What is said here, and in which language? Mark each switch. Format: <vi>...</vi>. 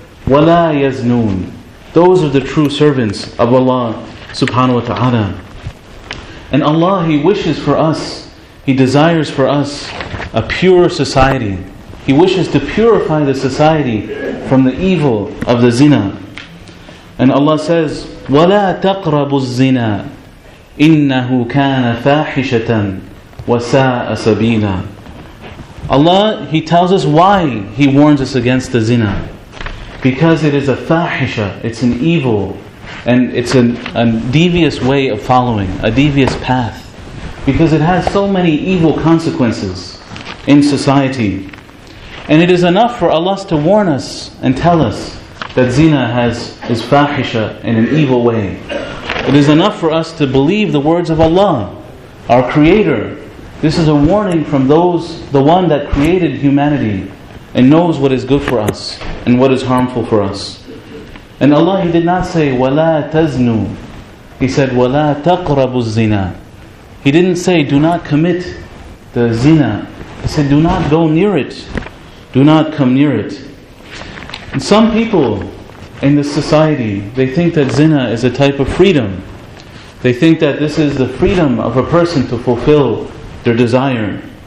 <ar>وَلَا يَزْنُونَ.</ar> <en>Those are the true servants of Allah subhanahu wa ta'ala. And Allah, He wishes for us, He desires for us a pure society. He wishes to purify the society from the evil of the zina. And Allah says,</en> <ar>وَلَا تَقْرَبُوا الزِّنَا إِنَّهُ كَانَ فَاحِشَةً وَسَاءَ سَبِيلًا.</ar> <en>Allah, He tells us why He warns us against the zina. Because it is a fahisha, it's an evil, and it's a devious way of following, a devious path. Because it has so many evil consequences in society. And it is enough for Allah to warn us and tell us that zina is fahisha in an evil way. It is enough for us to believe the words of Allah, our Creator. This is a warning from the one that created humanity and knows what is good for us and what is harmful for us. And Allah, He did not say,</en> <ar>وَلَا تَزْنُوا.</ar> <en>He said,</en> <ar>وَلَا تَقْرَبُوا الزِّنَا.</ar> <en>He didn't say, do not commit the zina. He said, do not go near it. Do not come near it. And some people in this society, they think that zina is a type of freedom. They think that this is the freedom of a person to fulfill their desire.</en>